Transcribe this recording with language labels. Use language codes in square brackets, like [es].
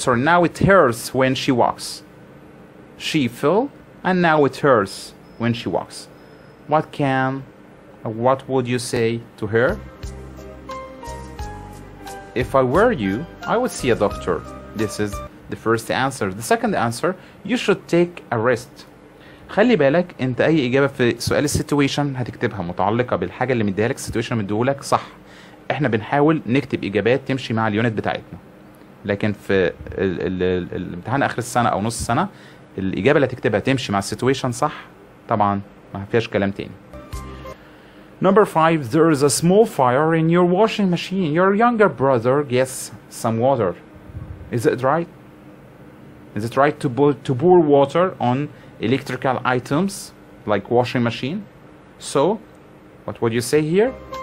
[en] Now it hurts when she walks. She fell, and now it hurts when she walks. What would you say to her? If I were you, I would see a doctor. This is the first answer. The second answer, you should take a rest. [ar] خلي بالك انت اي اجابه في سؤال السيتويشن هتكتبها متعلقه بالحاجه اللي مديها لك السيتويشن مديه لك صح. احنا بنحاول نكتب اجابات تمشي مع اليونت بتاعتنا. لكن في الامتحان اخر السنه او نص السنه الاجابه اللي هتكتبها تمشي مع السيتويشن صح؟ طبعا ما فيهاش كلام تاني. [en] Number five, there is a small fire in your washing machine. Your younger brother gets some water. Is it right? Is it right to pour water on electrical items like washing machine? So, what would you say here?